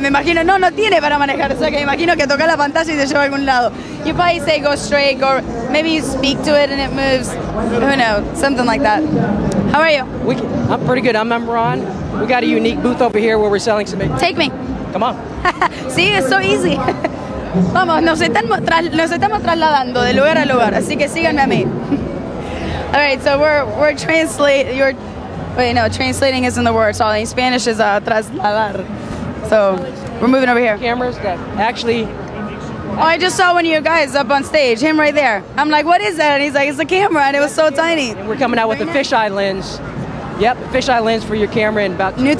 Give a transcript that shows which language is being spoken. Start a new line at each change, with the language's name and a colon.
Spanish: Me imagino, no tiene para manejar, o sea que me imagino que toca la pantalla y te lleva a algún lado.
English: You probably say go straight, or maybe you speak to it and it moves. Who knows? Something like that. How are you? I'm pretty good. I'm Ron. We got a unique booth over here where we're selling some. Take me. Come on. See, it's so easy.
Spanish: Vamos, nos estamos trasladando de lugar a lugar, así que síganme a mí.
English: All right, so we're translating. Translating isn't the word. So in Spanish is trasladar. So we're moving over here. Cameras, good. Actually. Oh, I just saw one of you guys up on stage, him right there. I'm like, what is that? And he's like, it's a camera, and it was so tiny. And we're coming out with a fisheye lens. Yep, fisheye lens for your camera in about 2 weeks.